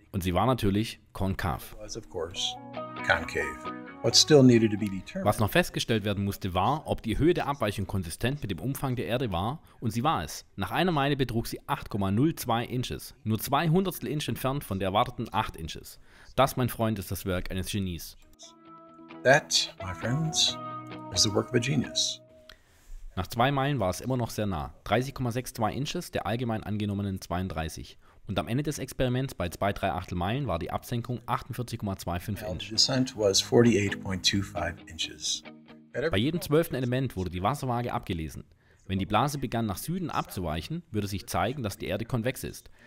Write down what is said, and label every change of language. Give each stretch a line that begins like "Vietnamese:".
German: Und sie war natürlich konkav. Was noch festgestellt werden musste, war, ob die Höhe der Abweichung konsistent mit dem Umfang der Erde war, und sie war es. Nach einer Meile betrug sie 8,02 Inches, nur 0,02 Inch entfernt von der erwarteten 8 Inches. Das, mein Freund, ist das Werk eines Genies.
English: That, my friends, is the work of a genius.
German: Nach 2 Meilen war es immer noch sehr nah, 30,62 Inches der allgemein angenommenen 32. Und am Ende des Experiments bei 2 3/8 Meilen war die Absenkung 48,25 Inch. Bei jedem 12. Element wurde die Wasserwaage abgelesen. Wenn die Blase begann nach Süden abzuweichen, würde sich zeigen, dass die Erde konvex ist.